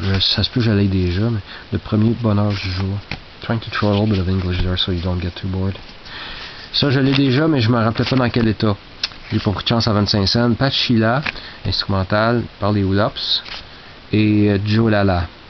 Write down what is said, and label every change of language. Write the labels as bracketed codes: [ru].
[fr] Ça se peut que j'allais déjà, mais le premier bonheur du jour. [en] Trying to throw a little bit of English there so you don't get too bored. [fr] Ça, je l'ai déjà, mais je me rappelais pas dans quel état. J'ai pas pris de chance à 25 cents. Pachila, instrumental, par les Hou-Lops. Et Joe Lala.